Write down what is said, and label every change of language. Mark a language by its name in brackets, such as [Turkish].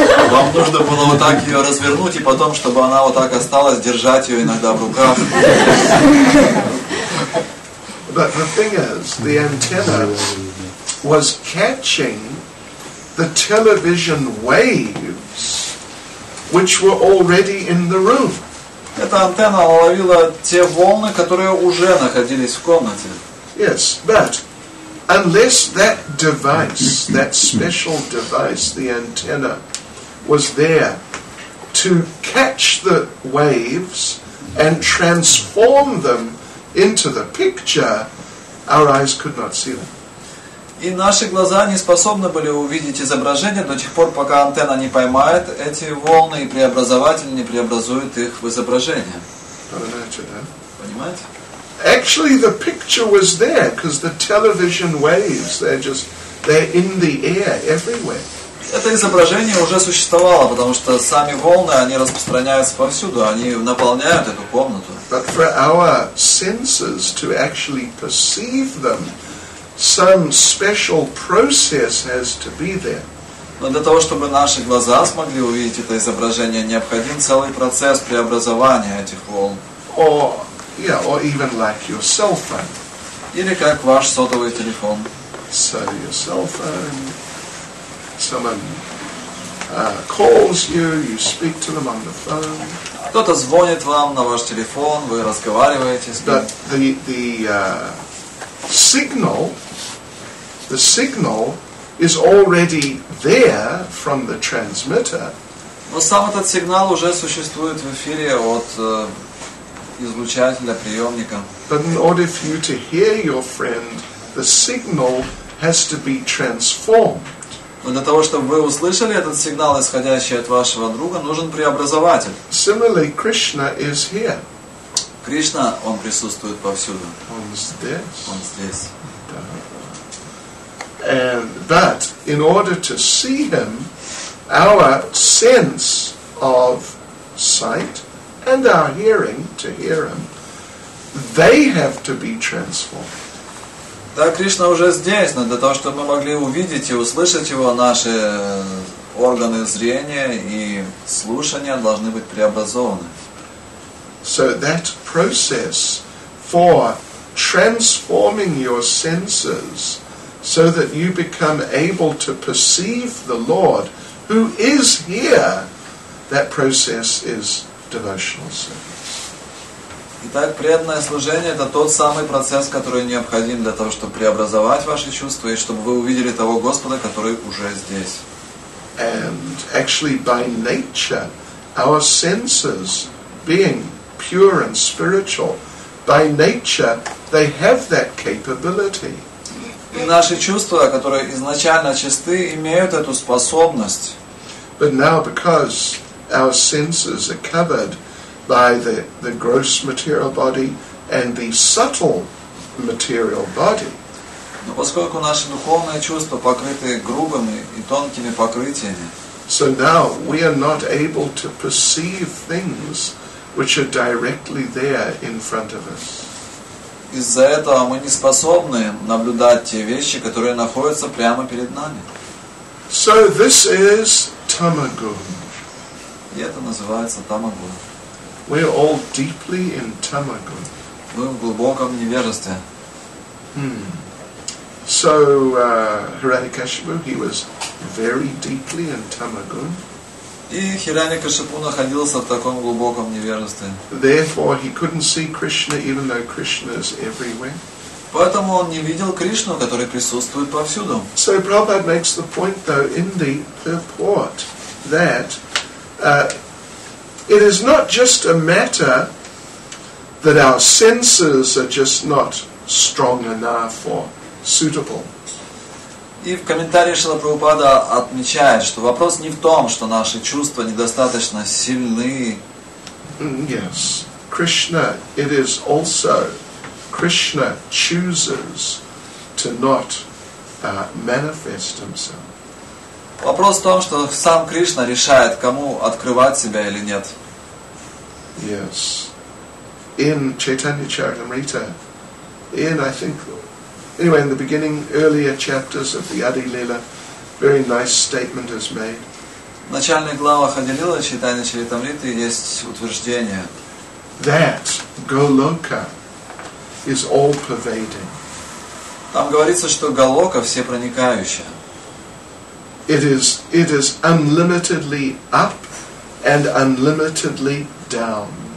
[Russian] Вам нужно было вот так ее развернуть, и потом, чтобы она вот так осталась, держать ее иногда в руках. [English] But the thing is, the antenna was catching the television waves, which were already in the room. [Russian] Эта антенна ловила те волны, которые уже находились в комнате. [English] Yes, but unless that device, that special device, the antenna, was there to catch the waves and transform them into the picture, our eyes could not see them. [Russian] И наши глаза не способны были увидеть изображение до тех пор, пока антенна не поймает эти волны и преобразователь не преобразует их в изображение. Понимаете? [English] Actually, the picture was there, because the television waves, they're in the air everywhere. [Russian] Это изображение уже существовало, потому что сами волны, они распространяются повсюду, они наполняют эту комнату. [English] But for our senses to actually perceive them, some special process has to be there. [Russian] Но для того, чтобы наши глаза смогли увидеть это изображение, необходим целый процесс преобразования этих волн. [English] Or even like your cell phone. [Russian] Или как ваш сотовый телефон. [English] So your cell phone, someone calls you, you speak to them on the phone. [Russian] Кто-то звонит вам на ваш телефон, вы разговариваете с ним. [English] But the signal is already there from the transmitter. [Russian] Но сам этот сигнал уже существует в эфире от излучателя приемника. [English] But in order for you to hear your friend, the signal has to be transformed. [Russian] Но для того, чтобы вы услышали этот сигнал, исходящий от вашего друга, нужен преобразователь. [English] Similarly, Krishna is here. [Russian] Кришна, он присутствует повсюду. Он здесь. Он здесь. [English] But in order to see him, our sense of sight and our hearing to hear him, they have to be transformed. [Russian] Да, Кришна уже здесь, но для того, чтобы мы могли увидеть и услышать его, наши органы зрения и слушания должны быть преобразованы. [English] So that process for transforming your senses so that you become able to perceive the Lord who is here, that process is devotional service. [Russian] Итак, преданное служение — это тот самый процесс, который необходим для того, чтобы преобразовать ваши чувства и чтобы вы увидели того Господа, который уже здесь. [English] And actually by nature our senses being pure and spiritual, by nature they have that capability. [Russian] И наши чувства, которые изначально чисты, имеют эту способность. [English] But now because our senses are covered by the gross material body and the subtle material body. [Russian] Но поскольку наши духовные чувства покрыты грубыми и тонкими покрытиями. [English] So now we are not able to perceive things which are directly there in front of us. [Russian] из-за этого мы не способны наблюдать те вещи, которые находятся прямо перед нами. [English] So this is tamaguna. [Russian] И это называется тамагун. [English] We are all deeply in tamaguna. [Russian] Мы в глубоком невежестве. [English] So, Hiranyakashipu, he was very deeply in tamaguna. [Russian] И Хираньякашипу находился в таком глубоком невежестве. [English] Therefore, he couldn't see Krishna, even though Krishna is everywhere. [Russian] Поэтому он не видел Кришну, который присутствует повсюду. [English] So Prabhupada makes the point, though, in the purport, that it is not just a matter that our senses are just not strong enough or suitable. [Russian] И в комментарии Шрила Прабхупада отмечает, что вопрос не в том, что наши чувства недостаточно сильны. [English] Yes, Krishna, it is also Krishna chooses to not manifest himself. [Russian] Вопрос в том, что сам Кришна решает, кому открывать себя или нет. [English] Yes. In Chaitanya Charitamrita, in the beginning, earlier chapters of the Adi Lila, very nice statement is made. [Russian] В начальных главах Адди Лилы Чайтанья Чаритамриты есть утверждение. [English] That Голока is all pervading. [Russian] Там говорится, что Голока всепроникающая. [English] It is unlimitedly up and unlimitedly down.